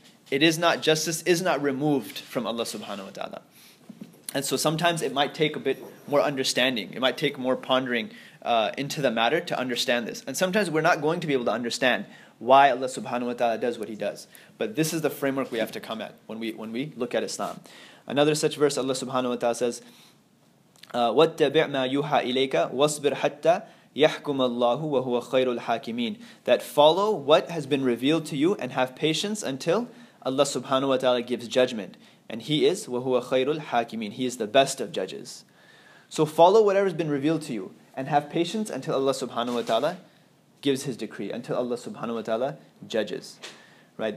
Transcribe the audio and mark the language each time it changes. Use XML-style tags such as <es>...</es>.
<en>Justice is not removed from Allah subhanahu wa ta'ala. And so sometimes it might take a bit more understanding, it might take more pondering into the matter to understand this. And sometimes we're not going to be able to understand why Allah subhanahu wa ta'ala does what He does. But this is the framework we have to come at when we look at Islam. Another such verse, Allah subhanahu wa ta'ala says,</en> <ar>وَاتَّبِعْ مَا يُوحَى إِلَيْكَ وَاصْبِرْ حَتَّى يَحْكُمَ اللَّهُ وَهُوَ خَيْرُ الْحَاكِمِينَ.</ar> <en>That follow what has been revealed to you and have patience until Allah subhanahu wa ta'ala gives judgment. And He is</en> <ar>وَهُوَ خَيْرُ الْحَاكِمِينَ.</ar> <en>He is the best of judges. So follow whatever has been revealed to you and have patience until Allah subhanahu wa ta'ala gives His decree, until Allah subhanahu wa ta'ala judges. Right?</en>